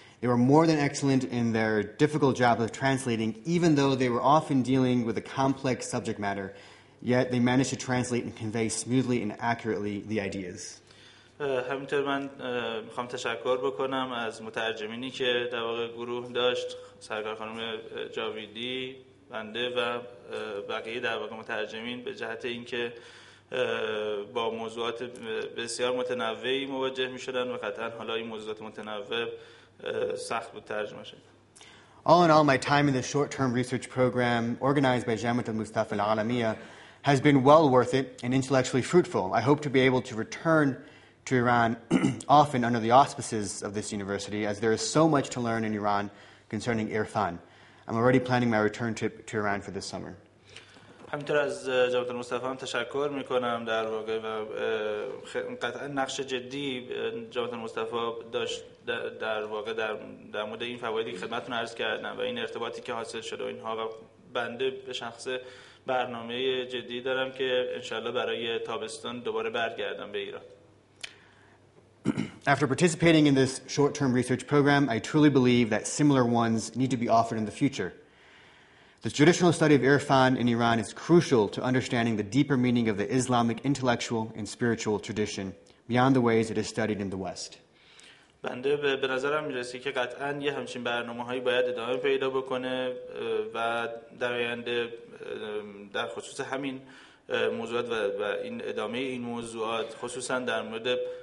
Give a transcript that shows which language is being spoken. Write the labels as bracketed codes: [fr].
[en] They were more than excellent in their difficult job of translating, even though they were often dealing with a complex subject matter. Yet they managed to translate and convey smoothly and accurately the ideas. [fa] همینطور من میخوام تشکر بکنم از مترجمینی که در واقع گروه داشت، سرکار خانم جاویدی، بنده و بقیه در واقع مترجمین، به جهت اینکه با موضوعات بسیار متنوعی مواجه می‌شدن و قطعاً حالا این موضوعات متنوع سخت بود ترجمه شد. [en] All in all, my time in the short-term research program organized by Jamaat al-Mustafa al-Alamiya has been well worth it and intellectually fruitful. I hope to be able to return to Iran often under the auspices of this university, as there is so much to learn in Iran concerning Irfan. I'm already planning my return trip to Iran for this summer. [fa] همینطور از جامعه مصطفی هم تشکر میکنم در واقع و قطعا نقش جدی جامعه مصطفی داشت در واقع در مورد این فوایدی که خدمتون عرض کردم و این ارتباطی که حاصل شده و اینها و بنده به شخص برنامه جدی دارم که انشالله برای تابستان دوباره برگردم به ایران. [en] After participating in this short-term research program, I truly believe that similar ones need to be offered in the future. The traditional study of Irfan in Iran is crucial to understanding the deeper meaning of the Islamic intellectual and spiritual tradition beyond the ways it is studied in the West. [fa] بنده به نظرم میرسه که قطعاً یه همچین برنامه‌هایی باید ادامه پیدا بکنه و در آینده در خصوص همین موضوعات و این ادامه این موضوعات خصوصاً در مورد